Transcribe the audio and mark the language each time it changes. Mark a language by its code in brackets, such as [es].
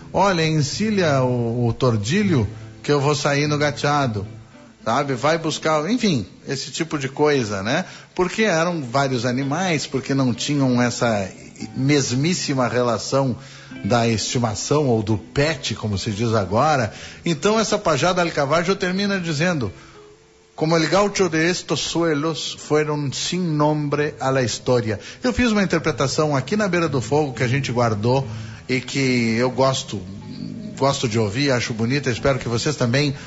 [pt] Olha, encilha o tordilho que eu vou sair no gateado. Sabe, vai buscar, enfim, esse tipo de coisa, né? Porque eram vários animais, porque não tinham essa mesmíssima relação da estimação ou do pet, como se diz agora. Então, essa pajada Alcavaggio termina dizendo: [es] como el gaucho de estos suelos fueron sin nombre a la historia. [pt] Eu fiz uma interpretação aqui na Beira do Fogo que a gente guardou e que eu gosto de ouvir, acho bonita, espero que vocês também.